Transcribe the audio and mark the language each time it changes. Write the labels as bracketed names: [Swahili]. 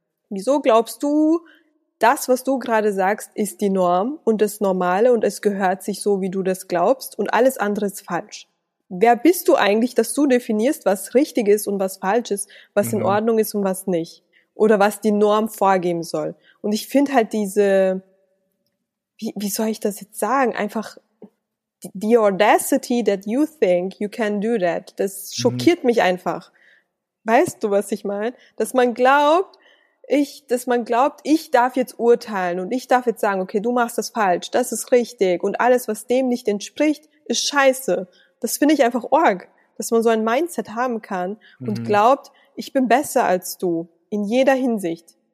[German] Wieso glaubst du, das, was du gerade sagst, ist die Norm und das Normale und es gehört sich so, wie du das glaubst und alles andere ist falsch? Wer bist du eigentlich, dass du definierst, was richtig ist und was falsch ist, was in Ordnung ist und was nicht? Oder was die Norm vorgeben soll? Und ich finde halt diese, wie soll ich das jetzt sagen? [English] Einfach the audacity that you think you can do that. [German] Das schockiert mich einfach. Weißt du, was ich meine? Dass man glaubt, ich darf jetzt urteilen und ich darf jetzt sagen, okay, du machst das falsch, das ist richtig und alles, was dem nicht entspricht, ist scheiße. Das finde ich einfach arg, dass man so ein Mindset haben kann und glaubt, ich bin besser als du in jeder Hinsicht.